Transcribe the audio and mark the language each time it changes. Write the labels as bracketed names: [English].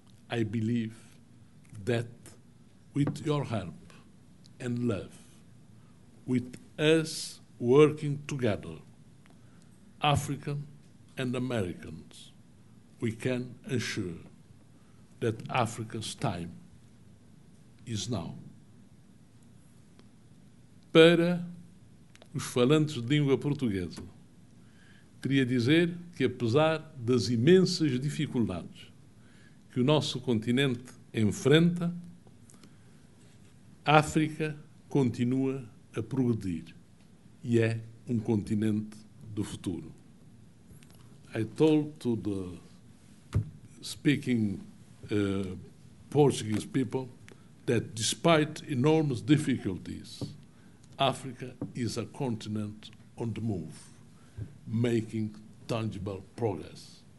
[English] I believe that with your help and love, with us working together, African and Americans, we can ensure that Africa's time is now. [Portuguese] Para os falantes de língua portuguesa, queria dizer que, apesar das imensas dificuldades que o nosso continente enfrenta, África continua a progredir e é um continente do futuro. [English] I told to the speaking Portuguese people that despite enormous difficulties, Africa is a continent on the move, making tangible progress.